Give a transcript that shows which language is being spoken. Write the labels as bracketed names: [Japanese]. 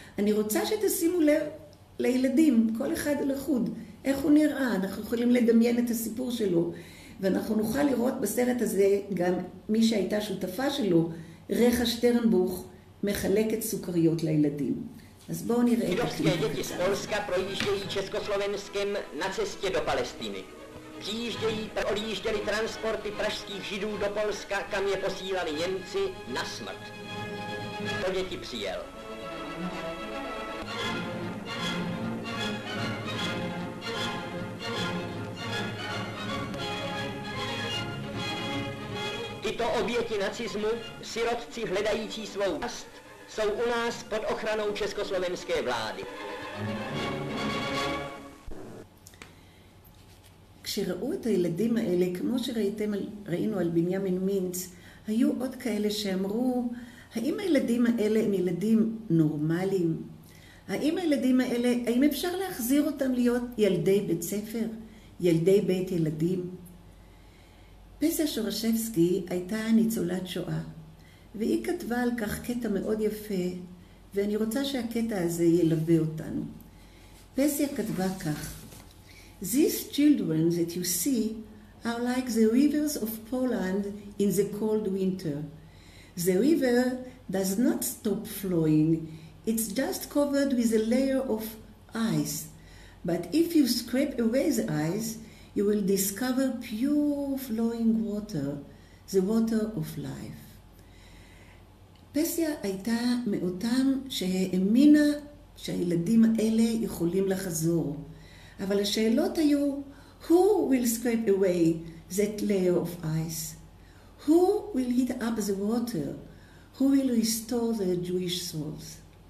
[Hebrew] אני רוצה שתשימו לב לילדים, כל אחד לחוד, איך הוא נראה, אנחנו יכולים לדמיין את הסיפור שלו. ואנחנו נוכל לראות בסרט הזה גם מי שהייתה שותפה שלו, רכה שטרנבוך, מחלקת סוכריות לילדים. אז בואו נראה את הכי. [Czech] ג'ודובסקי דטי ספולסקה פרוייז'די צ'סקוסלובנסקם נצסטי דו פלסטיני. Přijížděli, odjížděli transporty pražských židů do Polska, kam je posílali Němci na smrt. To děti přijel. Tyto oběti nacismu, sirotci hledající svou past, jsou u nás pod ochranou československé vlády. [Hebrew] כשראו את הילדים האלה, כמו שראיתם, ראינו על בנימין מינץ, היו עוד כאלה שאמרו, האם הילדים האלה הם ילדים נורמליים? האם הילדים האלה, האם אפשר להחזיר אותם להיות ילדי בית ספר? ילדי בית ילדים? פסיה שורשבסקי הייתה ניצולת שואה, והיא כתבה על כך קטע מאוד יפה, ואני רוצה שהקטע הזה ילווה אותנו. פסיה כתבה כך, [English] These children that you see are like the rivers of Poland in the cold winter. The river does not stop flowing. It's just covered with a layer of ice. But if you scrape away the ice, you will discover pure flowing water, the water of life. [Hebrew] פסיה הייתה מאותם שהאמינה שהילדים האלה יכולים לחזור. אבל השאלות היו, [English] who will scrape away that layer of ice? Who will heat up the water? Who will restore the Jewish souls?